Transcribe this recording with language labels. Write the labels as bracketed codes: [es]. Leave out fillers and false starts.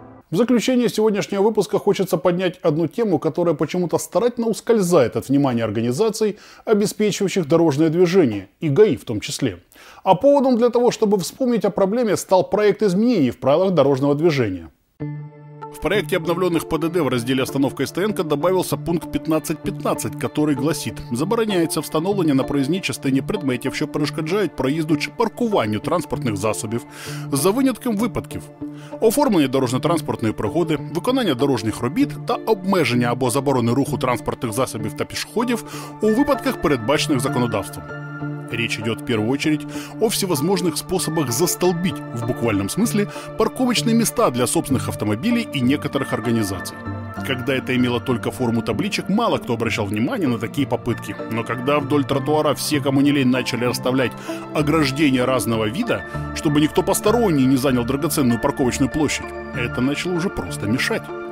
[ru] В заключение сегодняшнего выпуска хочется поднять одну тему, которая почему-то старательно ускользает от внимания организаций, обеспечивающих дорожное движение, и ГАИ в том числе. А поводом для того, чтобы вспомнить о проблеме, стал проект изменений в правилах дорожного движения. В проекте обновленных ПДД в разделе «Остановка и стоянка» добавился пункт 15.15, который гласит: [uk] «Забороняється встановлення на проїзній частині предметів, що перешкоджають проїзду чи паркуванню транспортних засобів, за винятком випадків, оформлення дорожньо-транспортної пригоди, виконання дорожніх робіт та обмеження або заборони руху транспортних засобів та пішоходів у випадках, передбачених законодавством». [ru] Речь идет в первую очередь о всевозможных способах застолбить, в буквальном смысле, парковочные места для собственных автомобилей и некоторых организаций. Когда это имело только форму табличек, мало кто обращал внимание на такие попытки. Но когда вдоль тротуара все, кому не лень, начали расставлять ограждения разного вида, чтобы никто посторонний не занял драгоценную парковочную площадь, это начало уже просто мешать.